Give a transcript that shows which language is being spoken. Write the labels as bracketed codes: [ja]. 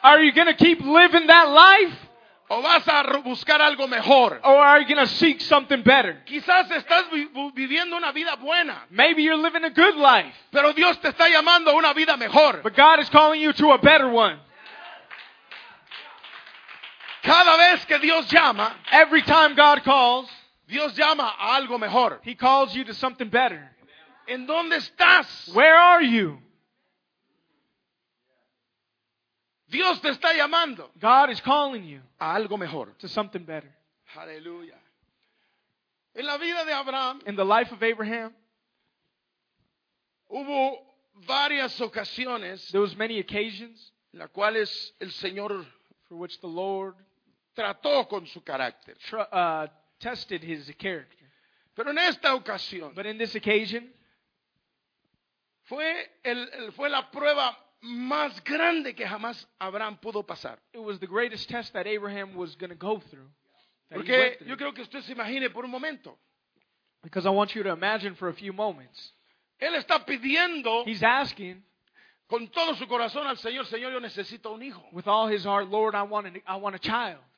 [en] Are you going to keep living that life? [es] ¿O vas a buscar algo mejor? [en] Or are you going to seek something better? [es] Quizás estás viviendo una vida buena. [en] Maybe you're living a good life. [es] Pero Dios te está llamando a una vida mejor. [en] But God is calling you to a better one. [es] Cada vez que Dios llama, [en] every time God calls, [es] Dios llama a algo mejor. [en] He calls you to something better. [es] ¿En dónde estás? [en] Where are you? [es] Dios te está llamando. [en] God is calling you [es] a algo mejor. [en] To something better. [es] Aleluya. En la vida de Abraham, [en] in the life of Abraham, [es] hubo varias ocasiones, [en] there was many occasions, [es] en las cuales el Señor, [en] for which the Lord, [es] trató con su carácter. [en] Tested his character. [es] Pero en esta ocasión, [en] but in this occasion, [es] fue la prueba más grande que jamás Abraham pudo pasar. [en] It was the greatest test that Abraham was going to go through. [es] Porque yo creo que usted se imagine por un momento. [en] Because I want you to imagine for a few moments. [es] Él está pidiendo, [en] he's asking, [es] con todo su corazón al Señor, Señor, yo necesito un hijo. [en] With all his heart, Lord, I want a child.